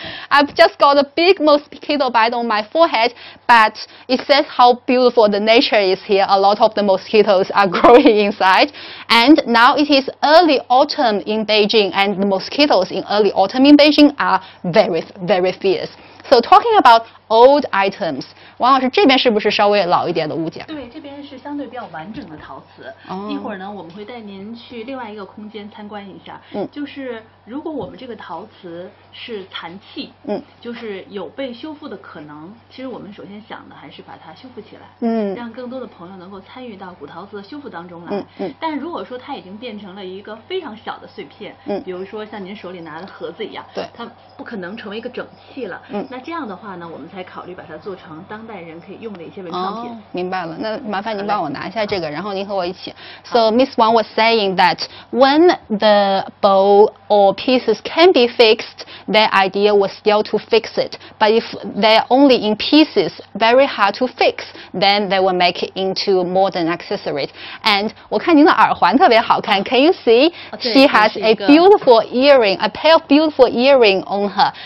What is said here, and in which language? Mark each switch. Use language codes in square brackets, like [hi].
[en] I've just got a big mosquito bite on my forehead, but it says how beautiful the nature is here. A lot of the mosquitoes are growing inside. And now it is early autumn in Beijing, and the mosquitoes in early autumn in Beijing are very, very fierce. So talking about old items, [zh] 王老师，这边是不是稍微老一点的物件？对，这边是相对比较完整的陶瓷。一会儿呢，我们会带您去另外一个空间参观一下。嗯，就是如果我们这个陶瓷是残器，嗯，就是有被修复的可能。其实我们首先想的还是把它修复起来，嗯，让更多的朋友能够参与到古陶瓷的修复当中来。嗯，但如果说它已经变成了一个非常小的碎片，嗯，比如说像您手里拿的盒子一样，对，它不可能成为一个整器了。嗯，那这样的话呢，我们才考虑把它做成当代人可以用的一些文创品。哦，明白了。那麻烦您帮我拿一下这个，然后您和我一起。 [en] So Miss Wang was saying that when the bow or pieces can be fixed, their idea was still to fix it. But if they're only in pieces, very hard to fix, then they will make it into modern accessories. And [zh] 我看您的耳环特别好看。 [en] Can you see? She has a beautiful earring, a pair of beautiful earring on her.